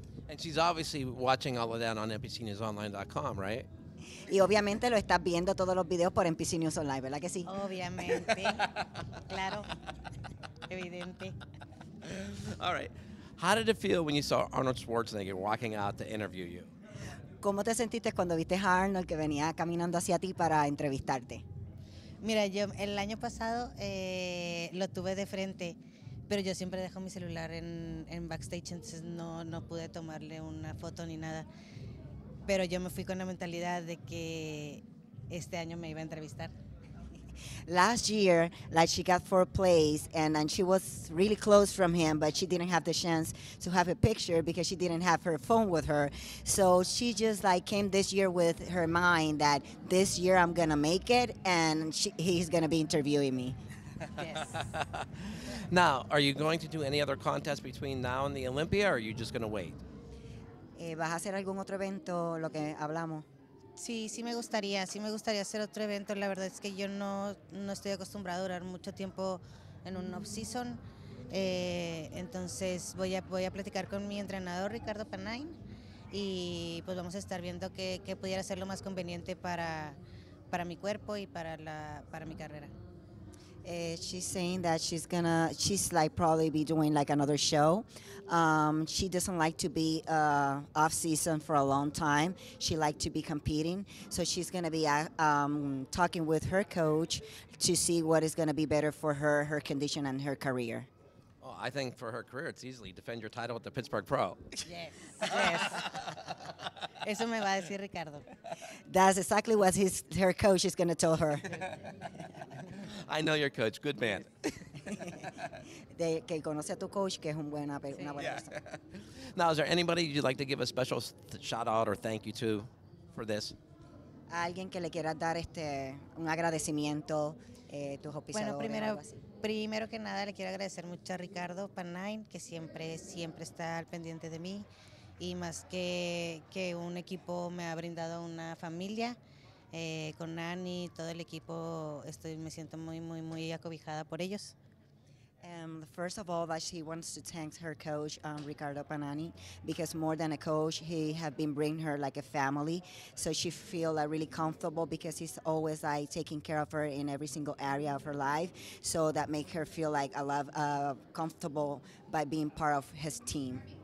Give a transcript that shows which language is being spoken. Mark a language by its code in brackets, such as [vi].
[en] And she's obviously watching all of that on NPCNewsOnline.com, right? [es] Y obviamente lo estás viendo todos los videos por NPC News Online, ¿verdad que sí? Obviamente. Claro. Evidente. [en] All right. How did it feel when you saw Arnold Schwarzenegger walking out to interview you? [es] ¿Cómo te sentiste cuando viste a Arnold que venía caminando hacia ti para entrevistarte? Mira, yo el año pasado lo tuve de frente, pero yo siempre dejo mi celular en backstage, entonces no pude tomarle una foto ni nada. Pero yo me fui con la mentalidad de que este año me iba a entrevistar. [en] Last year, like, she got 4 plays, and she was really close from him, but she didn't have the chance to have a picture because she didn't have her phone with her. So she just, like, came this year with her mind that this year I'm going to make it, and he's going to be interviewing me. Yes. Now, are you going to do any other contests between now and the Olympia, or are you just going to wait? ¿Vas a hacer algún otro evento, lo que hablamos? Sí me gustaría hacer otro evento. La verdad es que yo no estoy acostumbrada a durar mucho tiempo en un off-season. Entonces voy a platicar con mi entrenador, Ricardo Panain, y pues vamos a estar viendo qué pudiera ser lo más conveniente para mi cuerpo y para mi carrera. She's saying that she's like probably be doing like another show. She doesn't like to be off season for a long time. She likes to be competing. So she's going to be talking with her coach to see what is going to be better for her, her condition and her career. Well, I think for her career, it's easily defend your title at the Pittsburgh Pro. Yes, yes. [es] Eso me va a decir Ricardo. [en] That's exactly what her coach is going to tell her. I know your coach. Good man. [es] de que conoce a tu coach, que es un buena, sí. una buena yeah. persona. [en] Now, is there anybody you'd like to give a special shout out or thank you to for this? [es] A alguien que le quieras dar este un agradecimiento, tus auspiciadores. Bueno, primero que nada le quiero agradecer mucho a Ricardo Panain, que siempre está al pendiente de mí. Y más que un equipo me ha brindado una familia, con Nani, todo el equipo, me siento muy, muy, muy acobijada por ellos. [en] First of all, she wants to thank her coach, Ricardo Panani, because more than a coach, he has been bringing her like a family. So she feels really comfortable because he's always like taking care of her in every single area of her life. So that makes her feel like comfortable by being part of his team.